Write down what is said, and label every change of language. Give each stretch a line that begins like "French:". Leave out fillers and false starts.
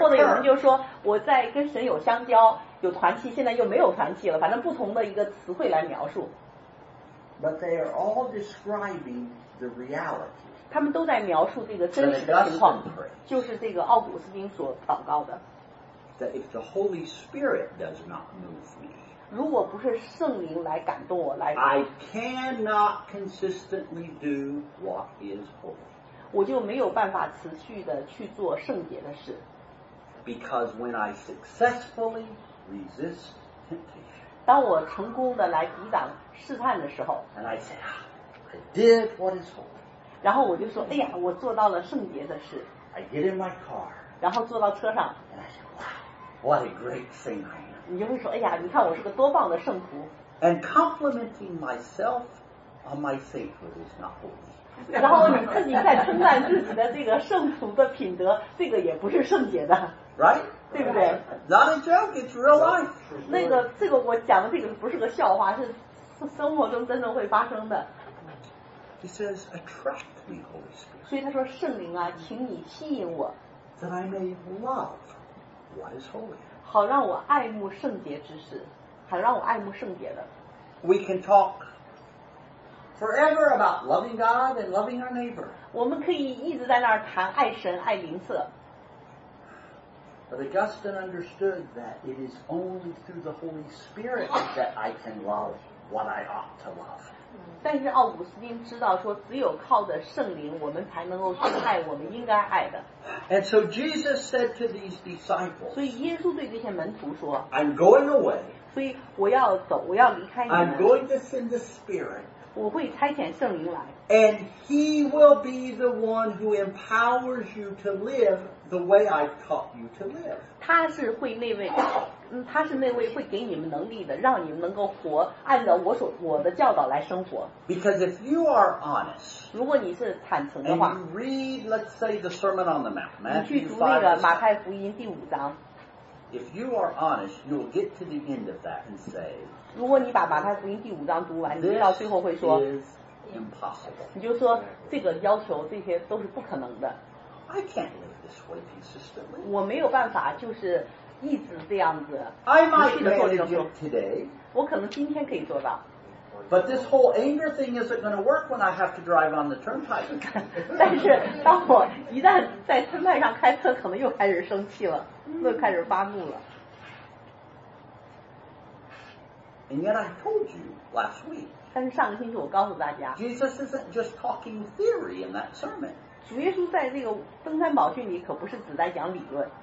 Chinese: 或者有人就说我在跟神有相交，有团契，现在又没有团契了。反正不同的一个词汇来描述。
English: But they are all describing the reality.
Chinese: 他们都在描述这个真实的情况，就是这个奥古斯丁所祷告的。
English: That if the Holy Spirit does not move me.
Chinese: 如果不是圣灵来感动我来
English: I cannot consistently do what is holy
Chinese: 我就没有办法持续的去做圣洁的事
English: because when I successfully resist temptation
Chinese: 当我成功的来抵挡试探的时候
English: and I say I did what is holy
Chinese: 然后我就说哎呀我做到了圣洁的事
English: I get in my car
Chinese: 然后坐到车上
English: and I say wow what a great thing I am
Chinese: 你就会说哎呀你看我是个多棒的圣徒
English: and complimenting myself on my sainthood is not holy.
Chinese: 然后你自己在称赞自己的这个圣徒的品德，这个也不是圣洁的。
English: Right?
Chinese: 对不对
English: ？Not a joke, it's real life.
Chinese: 那个，这个我讲的这个不是个笑话，是生活中真的会发生的。
English: He says, attract me, Holy Spirit.
Chinese: 所以他说，圣灵啊，请你吸引我。
English: That I may love what is holy.
Chinese: 好让我爱慕圣洁之事，好让我爱慕圣洁的。
English: We can talk forever about loving God and loving our neighbor.
Chinese: 我们可以一直在那儿谈爱神爱邻舍。
English: But Augustine understood that it is only through the Holy Spirit that I can love what I ought to love.
Chinese: 但是奥古斯丁知道说，只有靠着圣灵，我们才能够去爱我们应该爱的。
English: And so Jesus said to these disciples.
Chinese: 所以耶稣对这些门徒说
English: ，I'm going away.
Chinese: 所以我要走，我要离开你们。
English: I'm going to send the Spirit.
Chinese: 我会差遣圣灵来。
English: And He will be the one who empowers you to live the way I've taught you to live.
Chinese: 他是会那位，他是那位会给你们能力的，让你们能够活，按照我所我的教导来生活。
English: Because if you are honest,
Chinese: 如果你是坦诚的话
English: ，and you read, let's say, the Sermon on the Mount, Matthew 5,
Chinese: 你去读那个马太福音第五章。
English: If you are honest, you will get to the end of that and say.
Chinese: 如果你把马太福音第五章读完，你到最后会说。
English: Impossible.
Chinese: 你就说这个要求，这些都是不可能的。
English: I can't live this way consistently.
Chinese: 我没有办法，就是一直这样子。
English: I might manage it today.
Chinese: 我可能今天可以做到。
English: But this whole anger thing isn't going to work when I have to drive on the turnpike.
Chinese: 但是当我一旦在村派上开车，可能又开始生气了，又开始发怒了。
English: And yet I told you last week.
Chinese: 但是上个星期我告诉大家
English: ，Jesus isn't just talking theory in that sermon.
Chinese: 主耶稣在这个登山宝训里可不是只在讲理论。